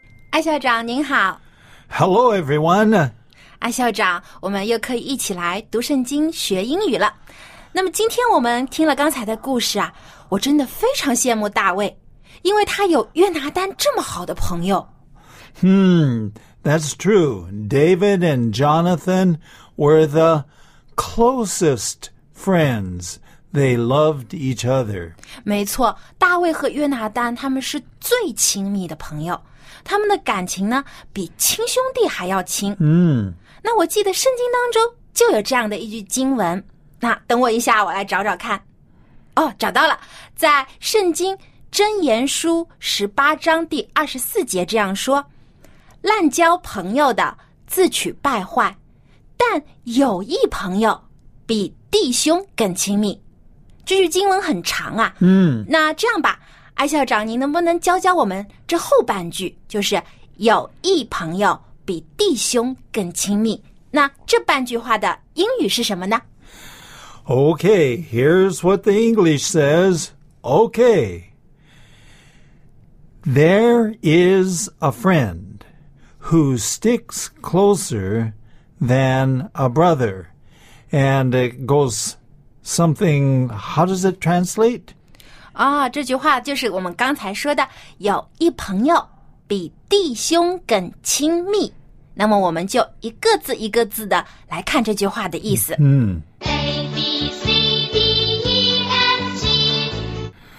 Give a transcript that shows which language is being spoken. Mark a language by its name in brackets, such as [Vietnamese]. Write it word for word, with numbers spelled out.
[Chinese] 艾校长您好， [English] Hello, everyone. [Chinese] 艾校长，我们又可以一起来读圣经学英语了。那么今天我们听了刚才的故事啊，我真的非常羡慕大卫，因为他有约拿单这么好的朋友。 [English] Hmm, that's true. David and Jonathan were the closest friends. They loved each other. [Chinese] 没错，大卫和约拿单他们是最亲密的朋友，他们的感情呢比亲兄弟还要亲。嗯，那我记得圣经当中就有这样的一句经文，那等我一下，我来找找看。哦，找到了，在圣经箴言书十八章第二十四节这样说：滥交朋友的自取败坏，但友谊朋友比弟兄更亲密。这句经文很长啊，嗯，那这样吧，艾校长，您能不能教教我们这后半句，就是友谊朋友比弟兄更亲密？那这半句话的英语是什么呢？ [English] Okay, here's what the English says. Okay. There is a friend who sticks closer than a brother. And it goes something, how does it translate? [Chinese] 啊、哦，这句话就是我们刚才说的，有一朋友比弟兄更亲密。那么我们就一个字一个字的来看这句话的意思。嗯。 [English] A B C D E F G。